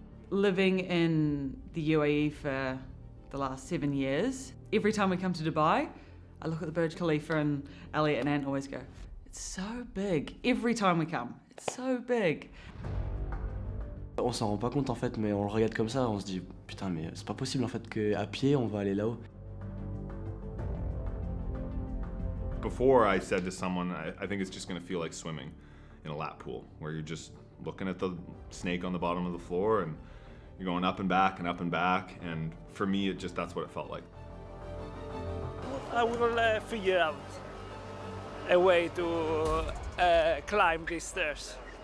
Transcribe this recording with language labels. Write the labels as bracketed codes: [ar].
[en] Living in the UAE for the last 7 years, every time we come to Dubai, I look at the Burj Khalifa and Elliot and Ant always go, it's so big, every time we come, it's so big. [fr] On s'en rend pas compte en fait, mais on le regarde comme ça, on se dit putain, mais c'est pas possible en fait qu'à pied on va aller là-haut. [en] Before I said to someone, I think it's just gonna feel like swimming in a lap pool, where you're just looking at the snake on the bottom of the floor and you're going up and back and up and back, and for me it just, that's what it felt like. I will figure out a way to climb these stairs.